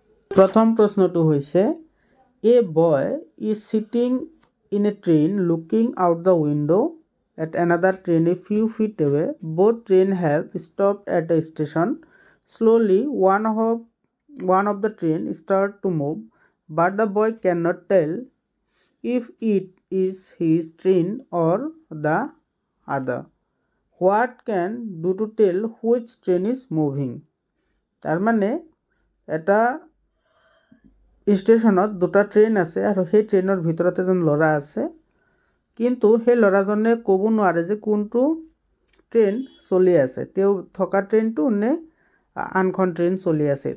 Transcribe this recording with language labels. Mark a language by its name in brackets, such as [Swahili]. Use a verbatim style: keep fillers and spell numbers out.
[Assamese] প্ৰথম প্ৰশ্নটো হৈছে, [English] A boy is sitting in a train looking out the window' at another train a few feet away, both train have stop at a station, slowly one of one of the train start to move, but the boy can not tell if it is his train or the other. What can do to tell which train is moving? [Assamese] তার মানে এটা ষ্টেচনত দুটা train আছে আৰু সেই ট্ৰেইনৰ ভিতৰত এজন ল'ৰা আছে, কিন্তু সেই ল'ৰাজনে ক'ব নোৱাৰে যে কোনটো ট্ৰেইন চলি আছে, তেওঁ থকা ট্ৰেইনটো নে আনখন ট্ৰেইন চলি আছে।